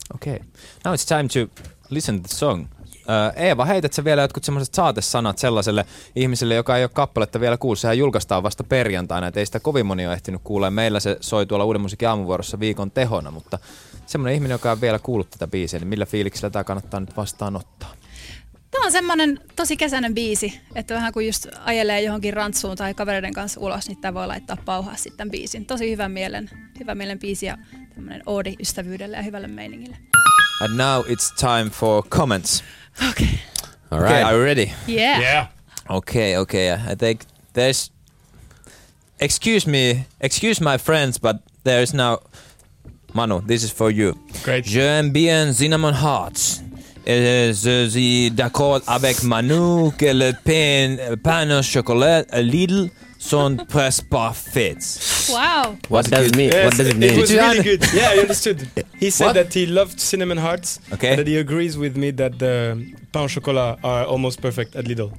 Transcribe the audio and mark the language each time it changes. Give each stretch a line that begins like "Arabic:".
English: Okay, now it's time to listen to the song.
Finnish: Eeva, heität sä vielä jotkut semmoiset saatesanat sellaiselle ihmiselle, joka ei ole kappaletta vielä kuullut. Sehän julkaistaan vasta perjantaina, et ei sitä kovin moni ole ehtinyt kuulemaan. Meillä se soi tuolla Uuden musiikin aamuvuorossa viikon tehona, mutta semmoinen ihminen, joka ei vielä kuullut tätä biisiä, niin millä fiiliksellä tämä kannattaa nyt vastaanottaa? Tämä on semmoinen tosi kesäinen biisi, että vähän kuin just ajelee johonkin rantsuun tai kavereiden kanssa ulos, niin tämä voi laittaa pauhaa sitten biisin. Tosi hyvän mielen biisi ja tämmöinen oodi ystävyydelle ja hyvälle meiningille.
English: And now it's time for comments. Okay. All right. Okay, are you ready? Yeah. Yeah. Okay. I think there's... Excuse my friends, but there's now... Manu, this is for you. Great.
French: J'aime bien cinnamon hearts. Et je suis d'accord avec Manu que le pain au chocolat a little sont presque parfaits.
English: Wow. What does it mean? It was really good. Yeah, I understood. He said that he loved cinnamon hearts, okay, but that he agrees with me that the pain au chocolat are almost perfect at Lidl.